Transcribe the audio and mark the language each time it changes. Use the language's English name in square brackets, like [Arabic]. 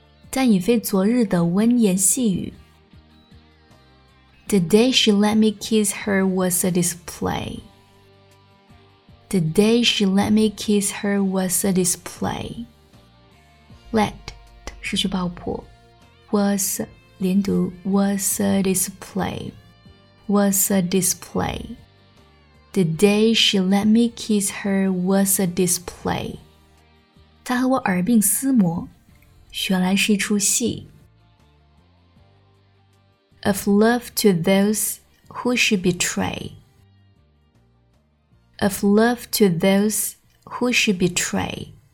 [Chinese] 但已非昨日的温言细语。 [English] The day she let me kiss her was a display. The day she let me kiss her was a display. Let [Chinese] 失去爆破 [English] was [Chinese] 连读 [English] was a display. Was a display. The day she let me kiss her was a display. [Chinese] 她和我耳鬓厮磨，原来是一出戏。 [English] Of love to those who she betray. Of love to those who she betray.